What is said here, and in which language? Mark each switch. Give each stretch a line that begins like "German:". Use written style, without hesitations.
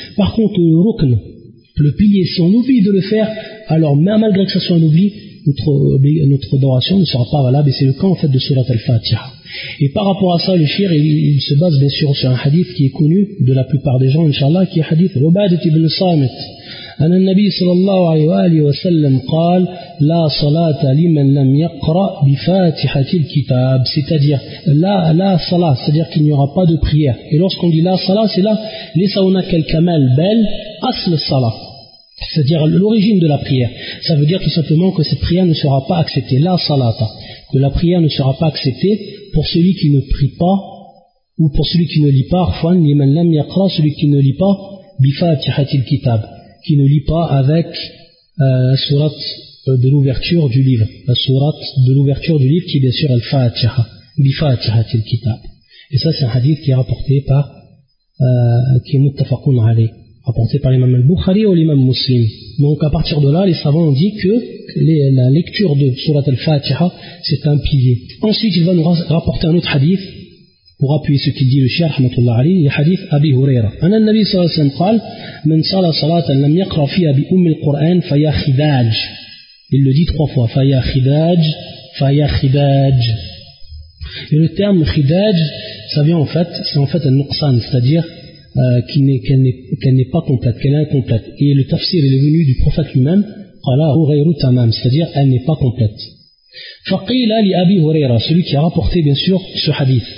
French: Par contre, le rukn, le pilier, si on oublie de le faire, alors même malgré que ce soit un oubli, notre adoration ne sera pas valable. Et c'est le cas en fait de surat al-Fatiha. Et par rapport à ça, le shir, il se base bien sûr sur un hadith qui est connu de la plupart des gens, inshallah, qui est hadith Ubadah ibn Samit.
Arabic: أن النبي صلى الله عليه وسلم قال لا صلاة لمن لم يقرأ بفاتحة الكتاب.
French: C'est-à-dire la صلاة, c'est-à-dire qu'il n'y aura pas de prière. Et lorsqu'on dit la صلاة, c'est là lesauna kel kamal bel asl صلاة, c'est-à-dire l'origine de la prière. Ça veut dire tout simplement que cette prière ne sera pas acceptée, la صلاة, que la prière ne sera pas acceptée pour celui qui ne prie pas ou pour celui qui ne lit pas. Parfois
Arabic: لمن لم يقرأ,
French: celui qui ne lit pas
Arabic: بفاتحة الكتاب,
French: qui ne lit pas avec la sourate de l'ouverture du livre. La sourate de l'ouverture du livre qui est bien sûr Al-Fatiha. Bi-Fatiha Til-Kitab. Et ça c'est un hadith qui est rapporté par qui est Muttafaqun Ali. Rapporté par l'imam Al-Bukhari ou l'imam Muslim. Donc à partir de là, les savants ont dit que la lecture de sourate Al-Fatiha, c'est un pilier. Ensuite, il va nous rapporter un autre hadith pour appuyer ce qu'il dit le shir, rahmatullah alayhi, le hadith Abi Huraira.
Arabic: Anna al-Nabi sallallahu alayhi wa sallam qal, من صلى صلاة لم يقرأ فيها بأم القرآن فيا خداج.
French: Il le dit trois fois.
Arabic: Faya khidaj, faya khidaj.
French: Et le terme khidaj, ça vient en fait, c'est en fait un nuqsan, c'est-à-dire qu'elle n'est pas complète, qu'elle est incomplète. Et le tafsir, il est venu du prophète lui-même, qala hurayru tamam, c'est-à-dire elle n'est pas complète.
Arabic: Faqila li Abi Huraira,
French: celui qui a rapporté bien sûr ce hadith.